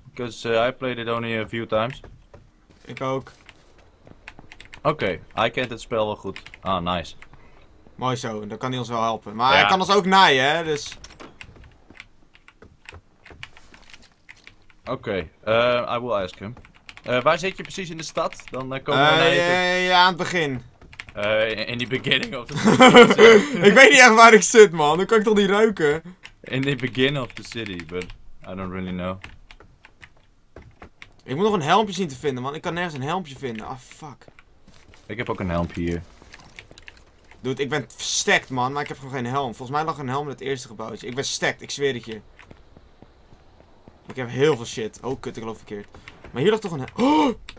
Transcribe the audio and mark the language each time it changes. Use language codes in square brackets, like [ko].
[en] Because I played it only a few times. [nl] Ik ook. Oké, hij kent het spel wel goed. [en] Ah, nice. [nl] Mooi zo, dan kan hij ons wel helpen. Maar ja. Hij kan ons ook naaien, hè, dus... [en] Oké, I will ask him. [nl] Waar zit je precies in de stad? Dan komen we naar je toe. Ja, aan het begin. [en] In die beginning of the city. [nl] Ik weet niet echt waar ik zit, man. Dan kan ik toch niet ruiken? [en] In the beginning of the city, but I don't really know. [nl] Ik moet nog een helmpje zien te vinden, man. Ik kan nergens een helmpje vinden. [en] Ah, oh, fuck. [nl] Ik heb ook een helmpje hier. Dude, ik ben stacked, man. Maar ik heb gewoon geen helm. Volgens mij lag een helm in het eerste gebouwtje. Ik ben stacked, ik zweer het je. Ik heb heel veel shit. Oh, kut, ik loop verkeerd. Maar hier lag toch een helm. Oh!